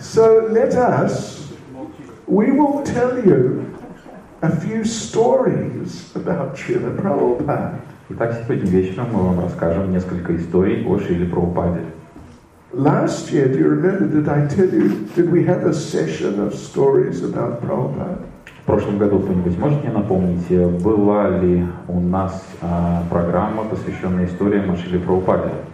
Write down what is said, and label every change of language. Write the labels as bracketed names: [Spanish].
[English] So let us, we will tell you a few stories about Srila Prabhupada. [Russian] Итак, сегодня вечером мы вам расскажем несколько историй о Шриле Прабхупаде. [English] Last year, do you remember, did I tell you, did we have a session of stories about Prabhupada? [Russian] В прошлом году кто-нибудь может мне напомнить, была ли у нас программа, посвященная истории о Шриле Прабхупаде?